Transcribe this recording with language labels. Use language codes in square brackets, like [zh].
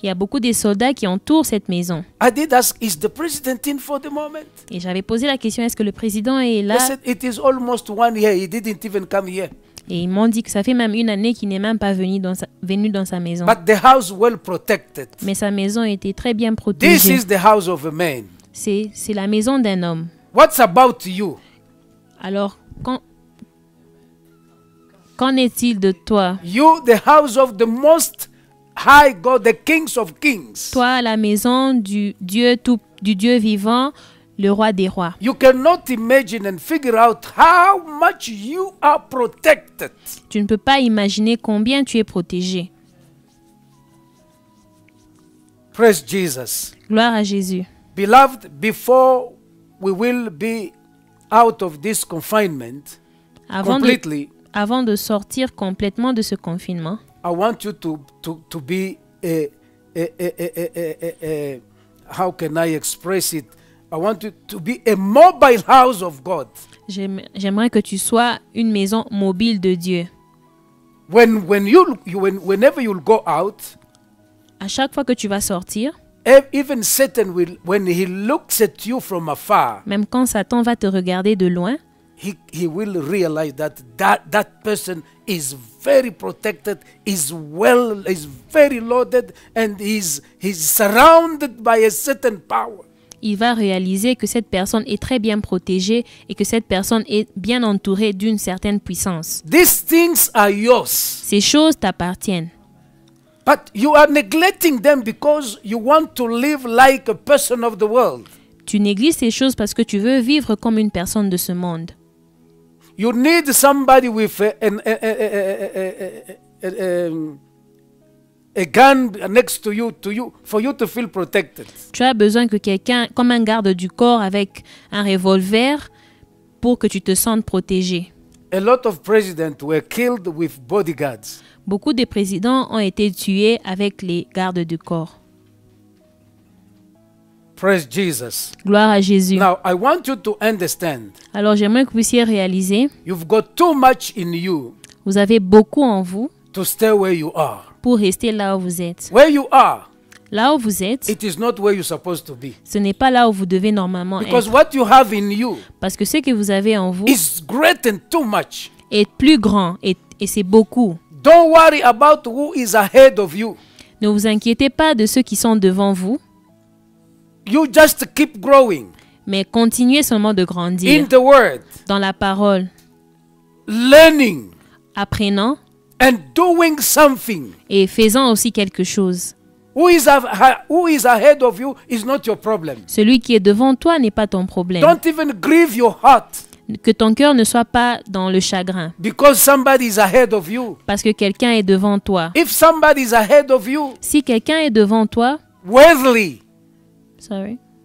[fr] Il y a beaucoup de soldats qui entourent cette maison. [en] I did ask, is the president in for the moment? [fr] Et j'avais posé la question, est-ce que le président est là? [en] They said, it is almost 1 year. He didn't even come here. [fr] Et ils m'ont dit que ça fait même une année qu'il n'est même pas venu dans sa maison. [en] But the house well protected. [fr] Mais sa maison était très bien protégée. [en] This is the house of a man. [fr] C'est la maison d'un homme. [en] What's about you? [fr] Alors, qu'en est-il de toi? [en] You, the house of the most high God, the kings of kings. [fr] Toi, la maison du Dieu vivant, le roi des rois. [en] You cannot imagine and figure out how much you are protected. [fr] Tu ne peux pas imaginer combien tu es protégé. [en] Praise Jesus. [fr] Gloire à Jésus. [en] Beloved, before we will be out of this confinement completely, [fr] avant de sortir complètement de ce confinement, [en] I want you to be a how can I express it? I want you to be a mobile house of God. [fr] J'aimerais que tu sois une maison mobile de Dieu. [en] Whenever you'll go out, [fr] à chaque fois que tu vas sortir. [en] Even Satan will, when he looks at you from afar, [fr] même quand Satan va te regarder de loin, [en] he will realize that person is very protected, is well, is very loaded, and he's surrounded by a certain power. [fr] Il va réaliser que cette personne est très bien protégée et que cette personne est bien entourée d'une certaine puissance. [en] These things are yours. [fr] Ces choses t'appartiennent. [en] But you are neglecting them because you want to live like a person of the world. [fr] Tu négliges ces choses parce que tu veux vivre comme une personne de ce monde. [en] You need somebody with a gun next to you for you to feel protected. [fr] Tu as besoin que quelqu'un comme un garde du corps avec un revolver pour que tu te sentes protégé. [en] A lot of presidents were killed with bodyguards. [fr] Beaucoup de présidents ont été tués avec les gardes du corps. [en] Praise Jesus. [fr] Gloire à Jésus. [en] Now, I want you to understand. [fr] Alors j'aimerais que vous puissiez réaliser. [en] You've got too much in you. [fr] Vous avez beaucoup en vous. [en] To stay where you are. [fr] Pour rester là où vous êtes. [en] Where you are. [fr] Là où vous êtes. [en] It is not where you're supposed to be. [fr] Ce n'est pas là où vous devez normalement [en] Because [fr] être. [en] What you have in you. [fr] Parce que ce que vous avez en vous. [en] Is great and too much. [fr] Est plus grand et c'est beaucoup. [en] Don't worry about who is ahead of you. [fr] Ne vous inquiétez pas de ceux qui sont devant vous. [en] You just keep growing. [fr] Mais continuez seulement de grandir. [en] In the word. [fr] Dans la parole. [en] Learning. [fr] Apprenant. [en] And doing something. [fr] Et faisant aussi quelque chose. [en] Who is ahead of you is not your problem. [fr] Celui qui est devant toi n'est pas ton problème. [en] Don't even grieve your heart. [fr] Que ton cœur ne soit pas dans le chagrin. [en] Because somebody is ahead of you. [fr] Parce que quelqu'un est devant toi. [en] If somebody is ahead of you. [fr] Si quelqu'un est devant toi. [en] Worthily. Sorry.